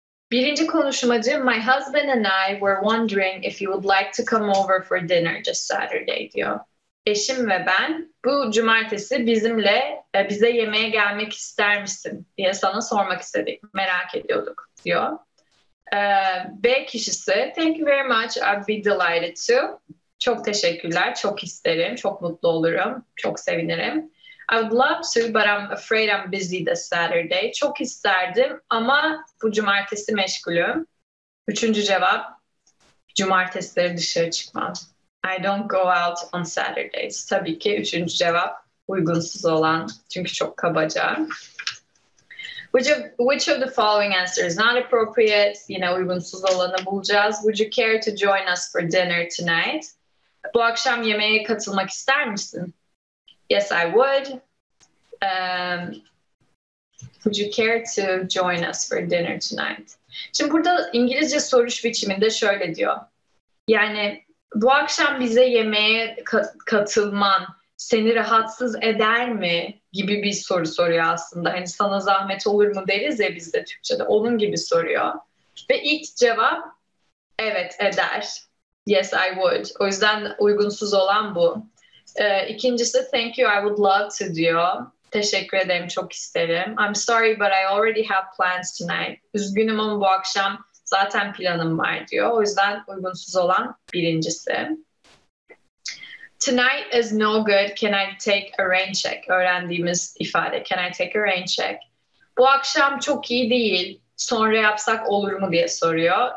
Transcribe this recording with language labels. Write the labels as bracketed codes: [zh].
[tr] Birinci konuşmacı, [en] my husband and I were wondering if you would like to come over for dinner this Saturday [tr] diyor. Eşim ve ben bu cumartesi bize yemeğe gelmek ister misin diye sana sormak istedik. Merak ediyorduk diyor. B kişisi, [en] thank you very much, I'd be delighted to. [tr] Çok teşekkürler, çok isterim, çok mutlu olurum, çok sevinirim. [en] I would love to, but I'm afraid I'm busy this Saturday. [tr] Çok isterdim ama bu cumartesi meşgulüm. Üçüncü cevap, cumartesileri dışarı çıkmam. [en] I don't go out on Saturdays. [tr] Tabii ki üçüncü cevap uygunsuz olan. Çünkü çok kabaca. [en] Which of the following answers is not appropriate? [tr] Yine uygunsuz olanı bulacağız. [en] Would you care to join us for dinner tonight? [tr] Bu akşam yemeğe katılmak ister misin? [en] Yes, I would. Would you care to join us for dinner tonight? [tr] Şimdi burada İngilizce soruş biçiminde şöyle diyor. Yani bu akşam bize yemeğe katılman seni rahatsız eder mi gibi bir soru soruyor aslında. Hani sana zahmet olur mu deriz ya biz de Türkçe'de. Onun gibi soruyor. Ve ilk cevap evet eder. [en] Yes, I would. [tr] O yüzden uygunsuz olan bu. İkincisi [en] thank you, I would love to [tr] diyor. Teşekkür ederim, çok isterim. [en] I'm sorry but I already have plans tonight. [tr] Üzgünüm ama bu akşam zaten planım var diyor. O yüzden uygunsuz olan birincisi. [en] Tonight is no good. Can I take a rain check? [tr] Öğrendiğimiz ifade. [en] Can I take a rain check? [tr] Bu akşam çok iyi değil. Sonra yapsak olur mu diye soruyor.